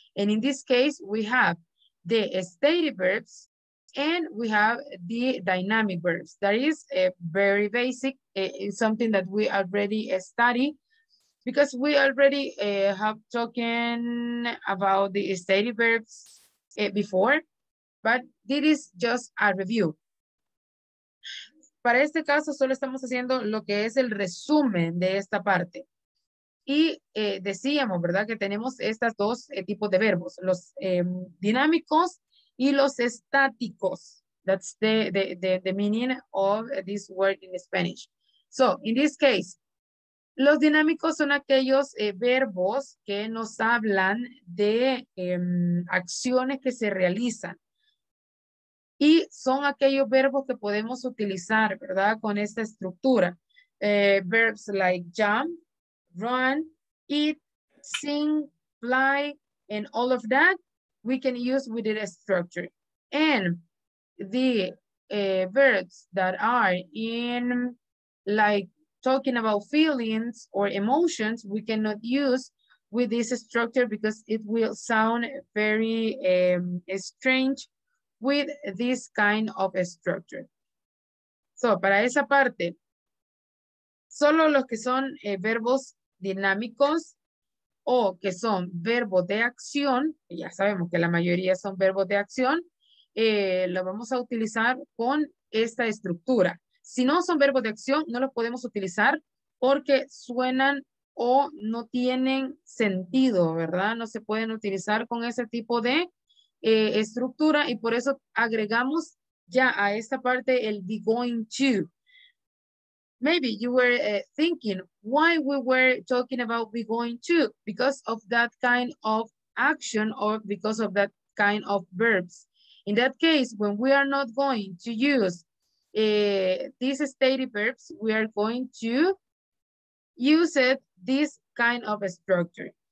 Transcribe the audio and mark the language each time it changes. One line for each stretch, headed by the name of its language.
English: And in this case, we have the state verbs and we have the dynamic verbs. That is a very basic, something that we already study because we already have talking about the state verbs before, but this is just a review.
Spanish: Para este caso, solo estamos haciendo lo que es el resumen de esta parte. Y decíamos, ¿verdad?, que tenemos estas dos tipos de verbos, los dinámicos y los estáticos.
English: That's the meaning of this word in Spanish.
Spanish: So,
English: in this case,
Spanish: los dinámicos son aquellos verbos que nos hablan de acciones que se realizan. Y son aquellos verbos que podemos utilizar, ¿verdad?, con esta estructura.
English: Verbs like jump, run, eat, sing, fly, and all of that we can use with the structure. And the verbs that are in, like, talking about feelings or emotions, we cannot use with this structure because it will sound very strange with this kind of structure.
Spanish: So, para esa parte, solo los que son verbos dinámicos o que son verbos de acción, ya sabemos que la mayoría son verbos de acción, lo vamos a utilizar con esta estructura. Si no son verbos de acción, no los podemos utilizar porque suenan o no tienen sentido, ¿verdad? No se pueden utilizar con ese tipo de estructura, y por eso agregamos ya a esta parte el be going to.
English: Maybe you were thinking why we were talking about be going to, because of that kind of action or because of that kind of verbs. In that case, when we are not going to use these stated verbs, we are going to use it this kind of a structure.